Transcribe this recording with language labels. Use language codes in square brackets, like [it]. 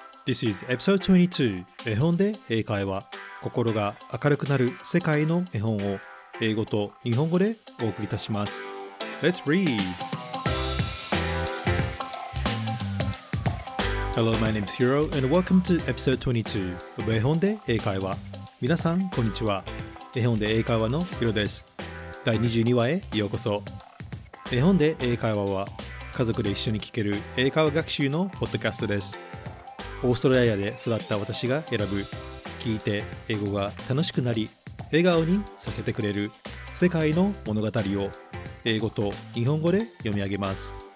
[en] This is episode 22, [ja] 絵本で英会話。心が明るくなる世界の絵本を英語と日本語でお送りいたします。 [en] Let's read! Hello, my name is Hiro, and welcome to episode 22 of 絵本で英会話。 [ja] みなさん、こんにちは。絵本で英会話の Hiro です。第22話へようこそ。絵本で英会話は、家族で一緒に聞ける英会話学習のポッドキャストです。オーストラリアで育った私が選ぶ、聞いて英語が楽しくなり笑顔にさせてくれる世界の物語を英語と日本語で読み上げます。